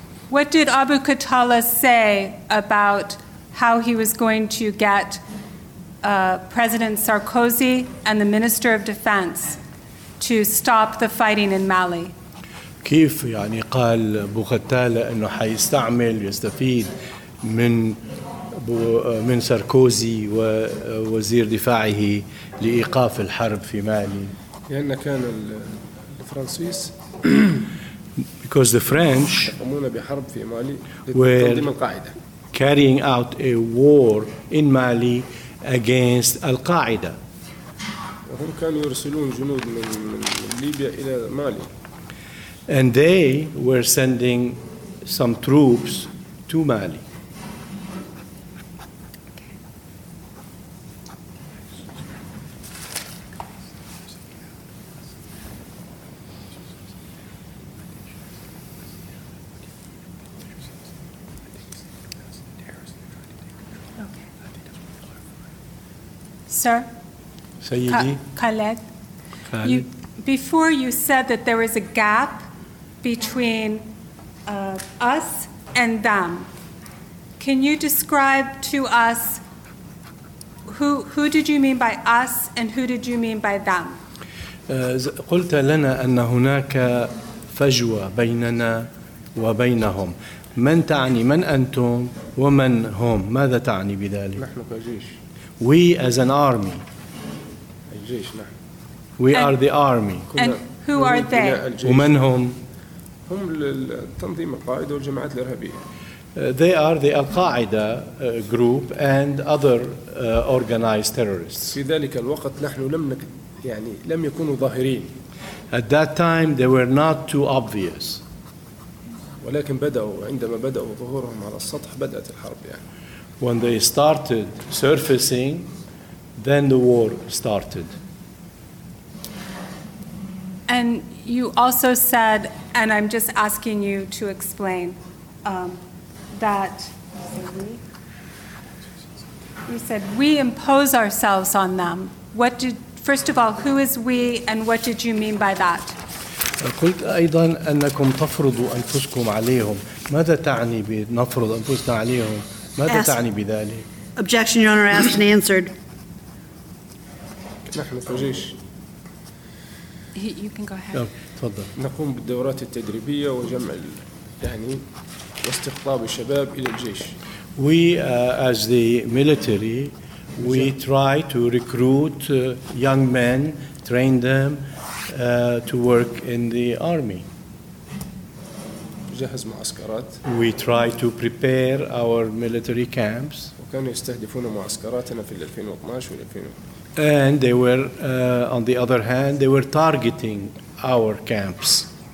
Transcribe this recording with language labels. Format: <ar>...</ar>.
<en>What did Abu Khattala say about how he was going to get President Sarkozy and the Minister of Defense to stop the fighting in Mali?</en> <ar>كيف يعني قال أبو خطالة إنه حيستعمل يستفيد من ساركوزي ووزير دفاعه لإيقاف الحرب في مالي؟ لأن كان الفرنسيس</ar> <en>because the French</en> <ar>يقومون بحرب في مالي لتنظيم القاعدة</ar> <en>carrying out a war in Mali against القاعدة.</en> <ar>هم كانوا يرسلون جنود من ليبيا إلى مالي.</ar> <en>And they were sending some troops to Mali. Sir?</en> <ar>Sayyidi?</ar> <en>Khaled? Khaled? You, before you said that there is a gap between us and them. Can you describe to us who did you mean by us and who did you mean by them?</en> <ar>قلت لنا أن هناك فجوة بيننا وبينهم. من تعني من أنتم ومن هم؟ ماذا تعني بذلك؟ نحن كجيش.</ar> <en>We as an army.</en> <ar>الجيش نحن. We are the army.</ar> <en>And who are they?</en> <ar>ومن هم؟ هم التنظيم القاعدة والجماعات الإرهابية.</ar> <en>They are the Al-Qaeda group and other organized terrorists.</en> <ar>في ذلك الوقت نحن لم نك يعني لم يكونوا ظاهرين.</ar> <en>At that time they were not too obvious.</en> <ar>ولكن بدأوا عندما بدأوا ظهورهم على السطح بدأت الحرب يعني.</ar> <en>When they started surfacing, then the war started. And you also said, and I'm just asking you to explain, that you said we impose ourselves on them. What did first of all, who is we, and what did you mean by that?</en> <ar>قلت أيضا أنكم تفرضوا أنفسكم عليهم. ماذا تعني بنفرض أنفسنا عليهم؟ ماذا تعني بذلك؟</ar> <en>Objection, Your Honor, asked and answered.</en> <ar>نحن فجيش.</ar> <en>You can go ahead.</en> <ar>تفضل. نقوم بالدورات التدريبية وجمع يعني واستقطاب الشباب إلى الجيش.</ar> <en>We as the military, we try to recruit young men, train them to work in the army.</en> <ar>جهز معسكرات.</ar> <en>We try to prepare our military camps.</en> <ar>وكانوا يستهدفون معسكراتنا في 2012 و2000.</ar> <en>And they were, on the other hand, they were targeting our camps.</en>